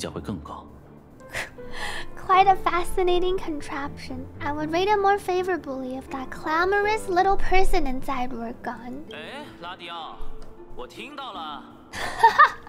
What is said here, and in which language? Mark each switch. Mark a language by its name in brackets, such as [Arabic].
[Chinese] 很奇妙的装置。如果里面那个聒噪的小人消失，我对他的评价会更高。 [English] Quite a fascinating contraption. I would rate it more favorably if that clamorous little person inside were gone. [Chinese] 哎，拉迪奥，我听到了。哈哈。